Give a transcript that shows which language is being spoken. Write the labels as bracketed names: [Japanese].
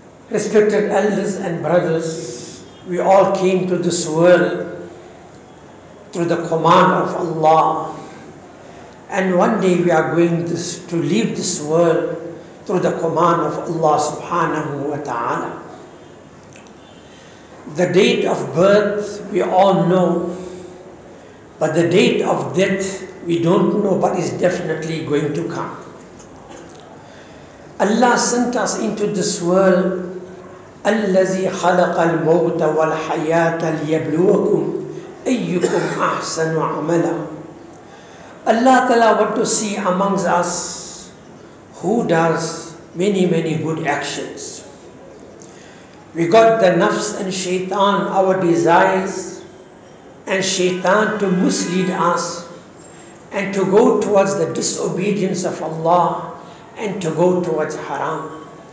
[English] Respected elders and brothers, we all came to this world through the command of Allah, and one day we are going to leave this world through the command of Allah subhanahu wa ta'ala. The date of birth we all know, but the date of death we don't know, but is definitely going to come. Allah sent us into this world. [Arabic] الذي خلق الموت والحياة ليبلوكم أيكم أحسن عملا. [English] Allah Ta'ala want to see amongst us who does many many good actions. We got the nafs and shaitan, our desires, and shaitan to mislead us and to go towards the disobedience of Allah and to go towards haram.